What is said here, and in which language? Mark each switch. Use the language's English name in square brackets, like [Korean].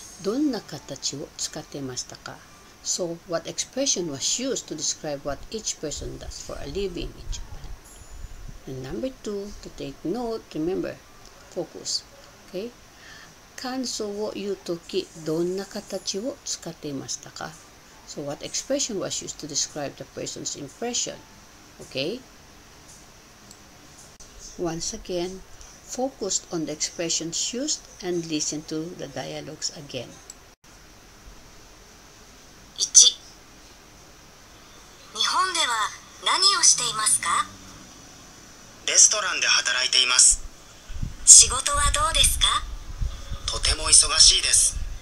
[Japanese] どんな形を使っていましたか? [English] So, what expression was used to describe what each person does for a living in Japan? And number two, to take note, remember, focus. Okay? [Japanese] 感想を言うとき、どんな形を使っていましたか? [English] So, what expression was used to describe the person's impression? Okay? Once again,Focused on the expressions used and listen to the dialogues again. 1. [Japanese] 日本では何をしていますか? レストランで働いています。仕事はどうですか? とても忙しいです。